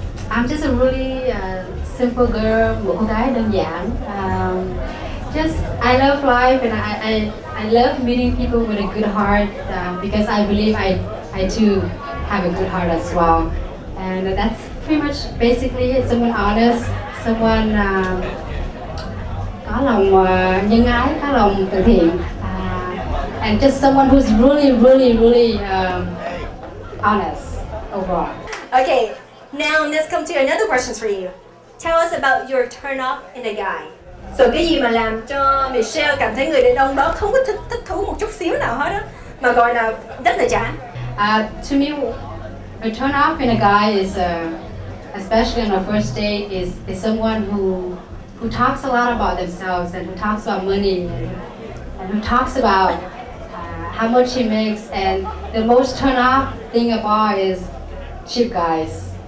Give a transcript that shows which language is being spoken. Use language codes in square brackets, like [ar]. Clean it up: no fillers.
[en] I'm just a really simple girl, [vi] một gái đơn giản. [en] Just, I love life and I love meeting people with a good heart because I believe I too have a good heart as well. And that's pretty much basically it. Someone honest, someone [vi] có lòng nhân ái, có lòng từ thiện. [en] And just someone who's really, really, really honest overall. Okay, now let's come to another question for you. Tell us about your turn off in a guy. [vi] So cái gì mà làm cho Michelle cảm thấy người đàn ông đó không có thích thú một chút xíu nào hết á, mà gọi là rất là chán? [en] To me, a turn off in a guy is, especially on a first date, is someone who talks a lot about themselves and who talks about money and who talks about how much he makes. And the most turn off thing of all is cheap guys.